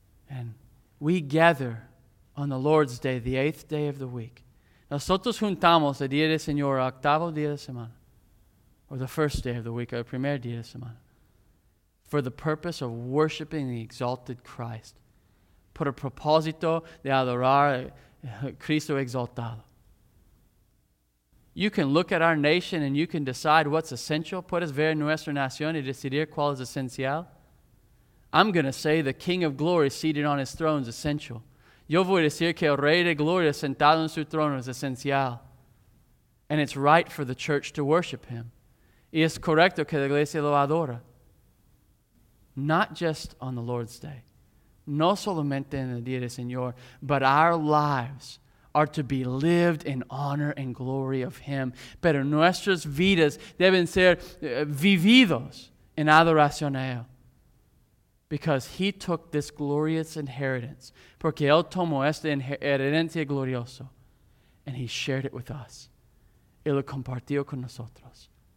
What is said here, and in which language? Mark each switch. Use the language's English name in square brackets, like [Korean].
[English] And we gather on the Lord's Day, the eighth day of the week. [Spanish] Nosotros juntamos el día del Señor, octavo día de semana. [English] Or the first day of the week, or the [Spanish] primer día de semana. [English] For the purpose of worshiping the exalted Christ. [Spanish] Por el propósito de adorar a Cristo exaltado. [English] You can look at our nation and you can decide what's essential. [Spanish] Puedes ver nuestra nación y decidir cuál es esencial. [English] I'm going to say the King of Glory seated on his throne is essential. [Spanish] Yo voy a decir que el Rey de Gloria sentado en su trono es esencial. [English] And it's right for the church to worship him. [Spanish] Y es correcto que la iglesia lo adora. [English] Not just on the Lord's Day. [Spanish] No solamente en el Día del Señor. [English] But our lives are to be lived in honor and glory of him. [Spanish] Pero nuestras vidas deben ser vividos en adoración a él. [English] Because he took this glorious inheritance. [Spanish] Porque él tomó esta herencia gloriosa. [English] And he shared it with us. [Spanish] Y lo compartió con nosotros.